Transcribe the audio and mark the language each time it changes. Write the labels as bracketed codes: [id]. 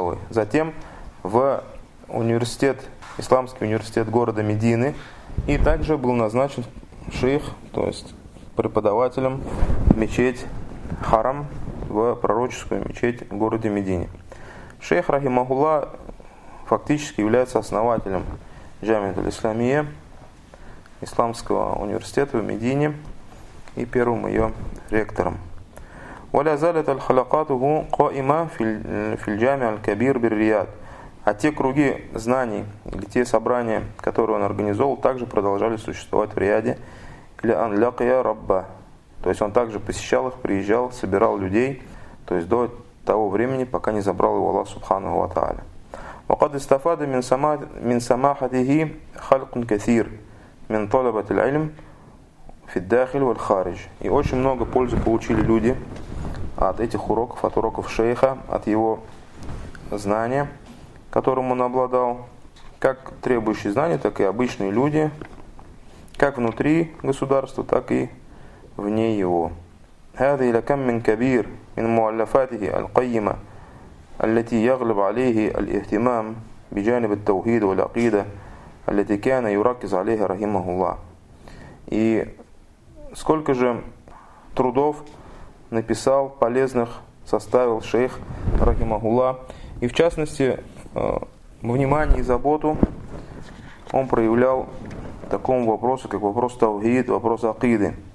[ru] Затем в университет, исламский университет города Медины, и также был назначен шейх, то есть преподавателем в мечеть Харам, в пророческую мечеть в городе Медине. Шейх Рахимахулла фактически является основателем Джамиат аль-Исламия, исламского университета в Медине, и первым ее ректором. [ar] ولا زالت الحلقات هو قائمة في الجامع الكبير بالرياض. [ru] А те круги знаний или те собрания, которые он организовал, также продолжали существовать в Рияде. [ar] Или ан лакия рабба. [ru] То есть он также посещал их, приезжал, собирал людей, то есть до того времени, пока не забрал его Аллах субханаху ва тааля. [ar] وقد استفاد من سماحته خلق كثير من طلبة العلم في الداخل والخارج. [ru] И очень много пользы получили люди от этих уроков, от уроков шейха, от его знания, которым он обладал, как требующие знания, так и обычные люди, как внутри государства, так и вне его. [ar] هذا إلى كم من كبير من مؤلفاته القيمة التي يغلب عليه الاهتمام بجانب التوحيد والعقيدة التي كان يركز عليها رحمه الله. [ru] И сколько же трудов написал, полезных составил шейх Рахимахулла. И в частности, внимание и заботу он проявлял такому вопросу, как вопрос Таухид, вопрос Акиды.